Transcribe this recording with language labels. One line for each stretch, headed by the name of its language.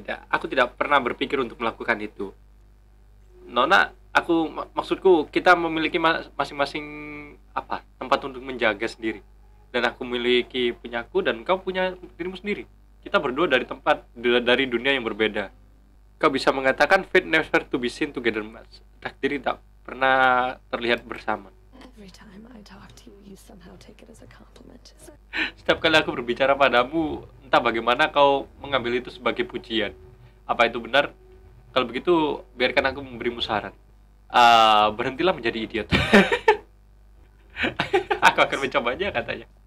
Indonesian: Aku tidak pernah berpikir untuk melakukan itu. Nona, aku maksudku kita memiliki masing-masing apa? Tempat untuk menjaga sendiri. Dan aku memiliki punyaku dan kau punya dirimu sendiri. Kita berdua dari tempat dari dunia yang berbeda. Kau bisa mengatakan
English: fate never to be seen together,
Indonesian: Mas. Takdir tak pernah terlihat bersama.
English: Every time I talk to you, you somehow take it as a compliment.
Indonesian: Setiap kali aku berbicara padamu, entah bagaimana kau mengambil itu sebagai pujian. Apa itu benar? Kalau begitu, biarkan aku memberimu saran. Berhentilah menjadi idiot. Aku akan mencobanya, katanya.